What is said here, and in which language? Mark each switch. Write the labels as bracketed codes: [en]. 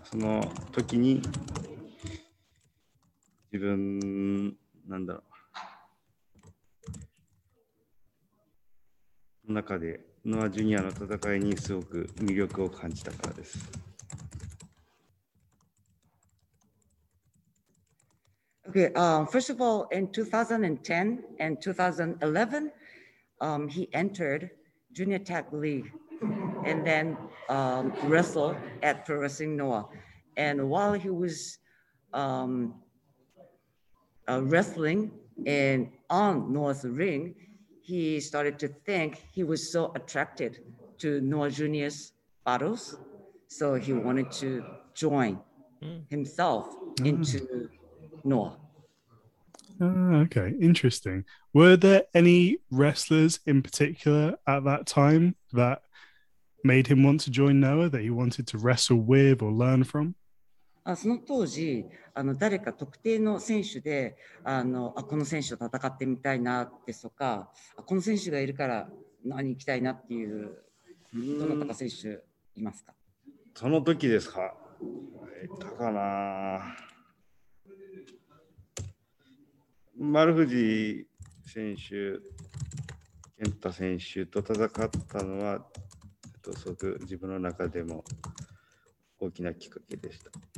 [ja] その時に自分、なんだろう、中でノアジュニアの戦いにすごく魅力を感じたからです。 [en] Okay, first of all, in 2010 and 2011, he entered Junior Tag League and then wrestled at Pro Wrestling Noah. And while he was wrestling and on Noah's ring,he started to think he was so attracted to Noah Jr.'s battles, so he wanted to join himself into Noah. Okay, interesting. Were there any wrestlers in particular at that time that made him want to join Noah, that he wanted to wrestle with or learn from? [ja] その当時誰か特定の選手でこの選手と戦ってみたいなですとか、この選手がいるから何行きたいなっていう、どなたか選手いますか？その時ですか、いたかな、丸藤選手、健太選手と戦ったのは、すごく自分の中でも大きなきっかけでした。